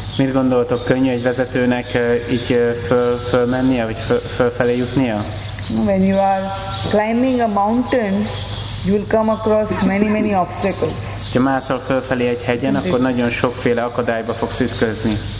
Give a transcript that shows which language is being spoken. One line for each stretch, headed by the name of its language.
Hungarian: Mit gondoltok, könnyű egy vezetőnek így fölmennie, vagy fölfelé jutnia?
English: When you are climbing a mountain, you will come across many many obstacles.
Hungarian: Ha mászol fölfelé egy hegyen, akkor nagyon sokféle akadályba fogsz ütközni.